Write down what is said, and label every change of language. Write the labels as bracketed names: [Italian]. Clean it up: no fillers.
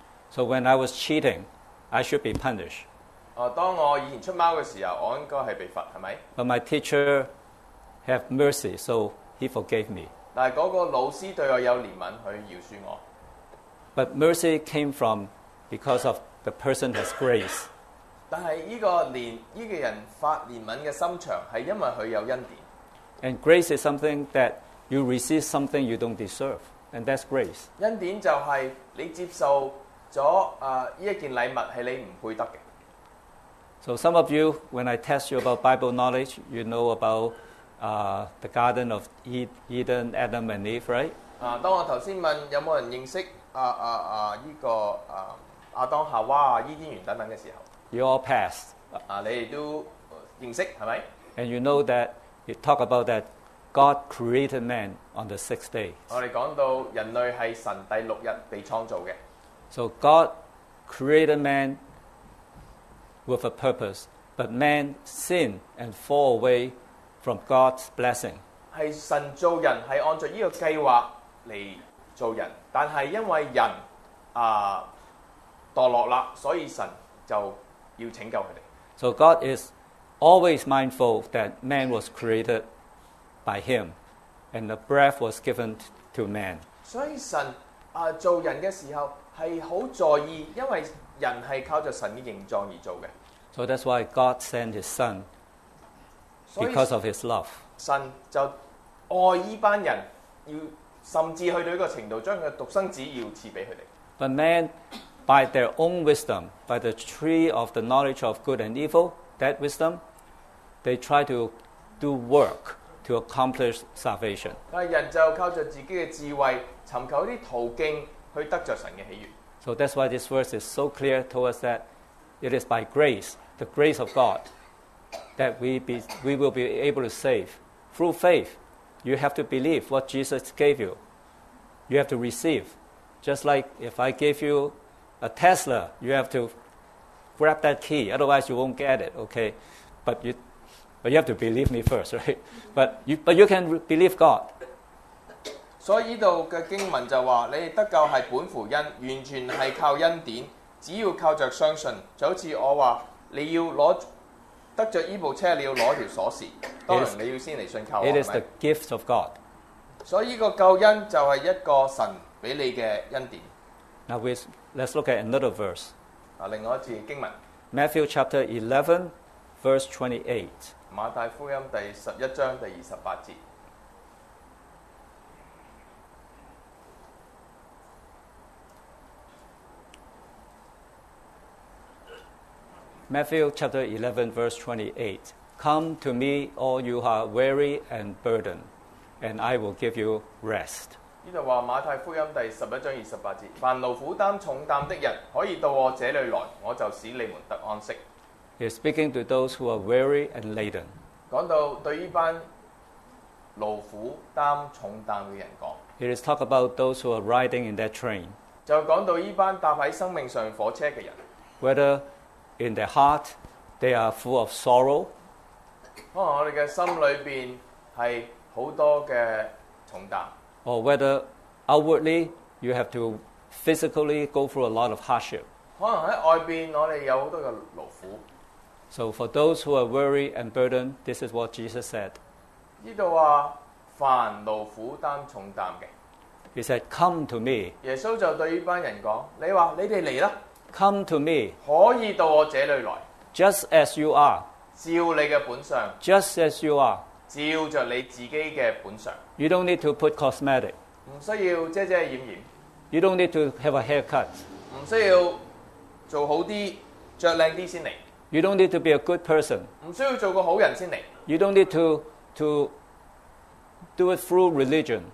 [English] So when I was cheating, I should be punished. [Chinese] 當我以前出貓的時候，我應該是被罰，是吧？ [English] But my teacher had mercy, so he forgave me. [Chinese] 但那個老師對我有憐憫，他饒恕我。 [English] But mercy came from because of the person has grace. [Chinese] 但是這個人發憐憫的心腸是因為他有恩典。 [English] And grace is something that you receive something you don't deserve. And that's grace. [Chinese] 恩典就是你接受了這件禮物是你不配得的。 [English] So some of you, when I test you about Bible knowledge, you know about the Garden of Eden, Adam and Eve, right? [Chinese] 當我剛才問有沒有人認識這個亞當夏娃、伊甸園等等的時候。 [English] You all passed. [Chinese] 你們都認識，是吧？ [English] And you know that you talk about that God created man on the sixth day. [Chinese] 我們講到人類是神第六日被創造的。 [English] So God created man with a purpose, but man sinned and fall away from God's blessing. [Chinese] 是神造人，是按照這個計劃來做人，但是因為人墮落了，所以神就要拯救他們。 [English] So God is always mindful that man was created by him, and the breath was given to man. [Chinese] 所以神做人的時候是很在意，因為人是靠著神的形狀而做的。 [English] So that's why God sent his son, because of his love. [Chinese] 神就愛這班人，要甚至去到一個程度，將他獨生子要賜給他們。 [English] But man, by their own wisdom, by the tree of the knowledge of good and evil, that wisdom, they try to do work to accomplish salvation. [Chinese] 但人就靠著自己的智慧，尋求一些途徑去得著神的喜悅。 [English] So that's why this verse is so clear to us that it is by grace, the grace of God, that we will be able to save. Through faith, you have to believe what Jesus gave you. You have to receive. Just like if I gave you a Tesla, you have to grab that key, otherwise you won't get it, okay? But you have to believe me first, right? But you can believe God. [Chinese] 所以這裡的經文就說，你們得救是本乎恩，完全是靠恩典，只要靠著相信。就好像我說，你要拿得著這部車，你要拿條鎖匙，當然你要先來信靠我。 [English] It is the gift of God. [Chinese] 所以這個救恩就是一個神給你的恩典。 [English] Now let's look at another verse. [Chinese] 另外一節經文， [English] Matthew chapter 11 verse 28， [Chinese] 馬太福音第11章第28節。 [English] Matthew chapter 11, verse 28. Come to me, all you who are weary and burdened, and I will give you rest. [Chinese] 这里说马太福音第11章28节，凡劳苦担重担的人可以到我这里来，我就使你们得安息。 [English] He is speaking to those who are weary and laden. [Chinese] 讲到对这班劳苦担重担的人讲。 [English] It is talk about those who are riding in that train. [Chinese] 就讲到这班搭在生命上火车的人。 [English] Whether in their heart, they are full of sorrow. [Chinese] 可能我們的心裡面是很多的重擔。 [English] Or whether outwardly, you have to physically go through a lot of hardship. [Chinese] 可能在外面我們有很多的勞苦。 [English] So for those who are weary and burdened, this is what Jesus said. [Chinese] 這裡說，凡勞苦擔重擔的。 [English] He said, come to me. [Chinese] 耶穌就對這班人說，你說你們來吧。 [English] Come to me. [Chinese] 可以到我這裡來。 [English] Just as you are. [Chinese] 照你的本相。 [English] Just as you are. [Chinese] 照著你自己的本相。 [English] You don't need to put cosmetic. [Chinese] 不需要遮遮掩掩。 [English] You don't need to have a haircut. [Chinese] 不需要做好一點，穿漂亮一點先來。 [English] You don't need to be a good person. [Chinese] 不需要做個好人先來。 [English] You don't need to do it through religion.